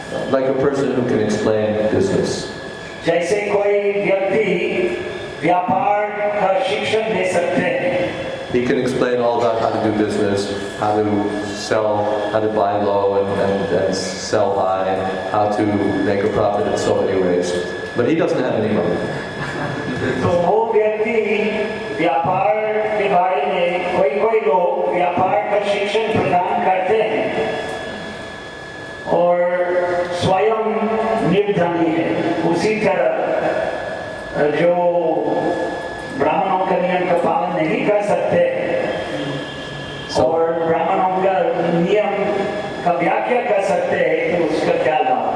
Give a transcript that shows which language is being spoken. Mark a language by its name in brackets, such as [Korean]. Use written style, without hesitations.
[English] like a person who can explain business. [Hindi] जैसे कोई व्यक्ति व्यापार का शिक्षण दे सकते हैं. [English] He can explain all about how to do business, how to sell, how to buy low and sell high, and how to make a profit in so many ways. But he doesn't have any money. [Hindi] तो वो व्यक्ति व्यापार के बारे में कोई कोई लोग व्यापार का शिक्षण प्रदान करते हैं और स्वयं निर्धनी है. उसी तरह जो ब्राह्मणों का नियम का पालन नहीं कर सकते और ब्राह्मणों का नियम का व्याख्या कर सकते हैं तो उसका क्या लाभ?